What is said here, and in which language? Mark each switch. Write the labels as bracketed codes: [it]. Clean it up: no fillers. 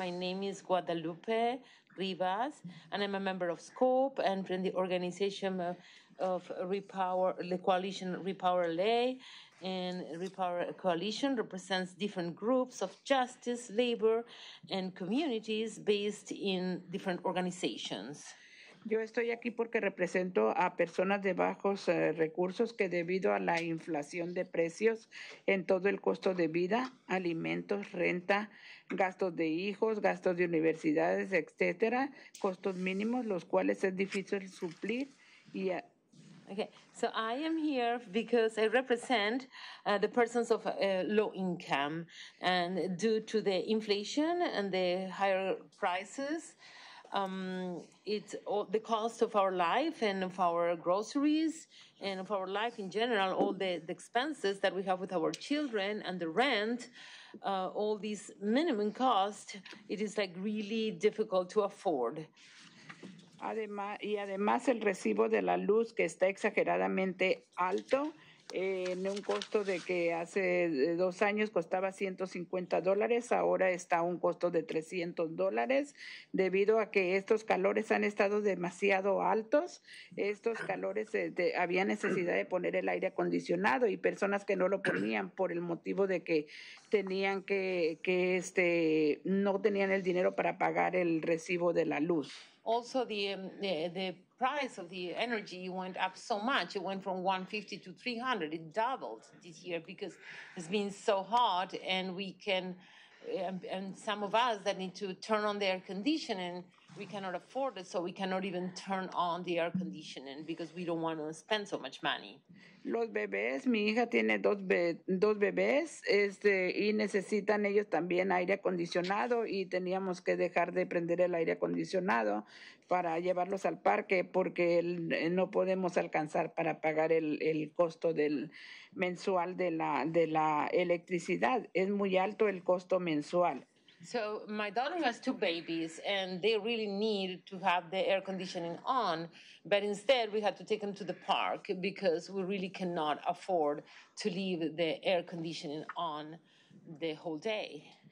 [en] My name is Guadalupe Rivas, and I'm a member of SCOPE and from the organization of Repower, the coalition Repower LA. And Repower Coalition represents different groups of justice, labor, and communities based in different organizations. [es] Yo estoy aquí porque represento a personas de bajos recursos que debido a la inflación de precios en todo el costo de vida, alimentos, renta, gastos de hijos, gastos de universidades, etcétera, costos mínimos, los cuales es difícil suplir y [en] Okay, so I am here because I represent the persons of low income, and due to the inflation and the higher prices, it's all the cost of our life and of our groceries and of our life in general, all the expenses that we have with our children and the rent, all these minimum costs, it is like really difficult to afford. [es] Además, y además el recibo de la luz que está exageradamente alto en un costo de que hace dos años costaba $150, ahora está a un costo de $300 debido a que estos calores han estado demasiado altos. Estos calores había necesidad de poner el aire acondicionado y personas que no lo ponían por el motivo de que tenían que no tenían el dinero para pagar el recibo de la luz. [en] Also, the price of the energy went up so much. It went from 150 to 300. It doubled this year because it's been so hot, and we can, and some of us that need to turn on the air conditioning, we cannot afford it, so we cannot even turn on the air conditioning because we don't want to spend so much money. [es] Los bebés, mi hija tiene dos bebés, y necesitan ellos también aire acondicionado y teníamos que dejar de prender el aire acondicionado para llevarlos al parque porque no podemos alcanzar para pagar el costo del mensual de la electricidad. Es muy alto el costo mensual. [en] So my daughter has two babies, and they really need to have the air conditioning on, but instead we had to take them to the park because we really cannot afford to leave the air conditioning on the whole day.